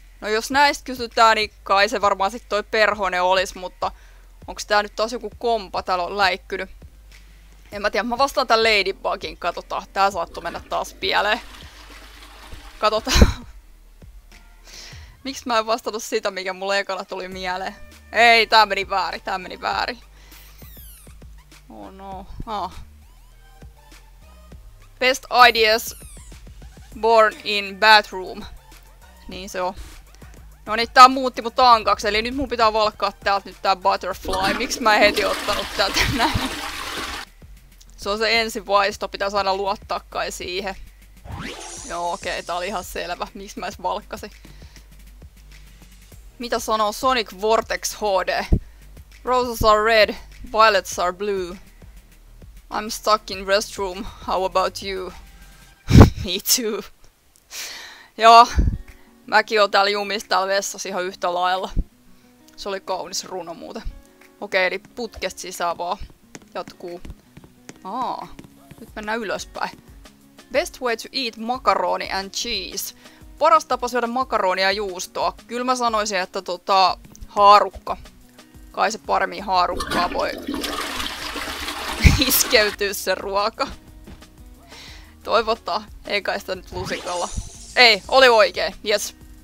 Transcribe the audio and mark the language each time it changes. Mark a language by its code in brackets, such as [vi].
[fi] No jos näistä kysytään, niin kai se varmaan sitten toi perhonen olisi, mutta onks tää nyt taas joku kompa täällä on läikkynyt? En mä tiedä, mä vastaan tän Ladybugin, katsotaan. Tää saattoi mennä taas pieleen. Katsotaan. Miksi mä en vastannut sitä, mikä mulle ekana tuli mieleen? Ei, tää meni väärin. [en] Oh no, Best ideas born in bathroom. [fi] Niin se on. No niin, tää muutti mut tankaks, eli nyt mun pitää valkkaa täältä nyt tää butterfly. Miksi mä en heti ottanut tätä näin? Se on se ensivaisto, pitää saada luottaa kai siihen. Joo, okei, tää oli ihan selvä. Miksi mä edes valkkasin? Mitä sanoo Sonic Vortex HD? [en] Roses are red, violets are blue. I'm stuck in restroom, how about you? Me too. [fi] Joo, mäkin oon täällä jumis täällä vessassa ihan yhtä lailla. Se oli kaunis runo muuten. Okei, eli putket sisään vaan jatkuu. Nyt mennään ylöspäin. [en] Best way to eat macaroni and cheese. [fi] Paras tapa syödä makaronia ja juustoa. Kyllä mä sanoisin, että haarukka. Kai se paremmin haarukkaa voi iskeytyä se ruoka. Toivottaa. Ei kai sitä nyt lusikalla. Ei, oli oikein. Yes.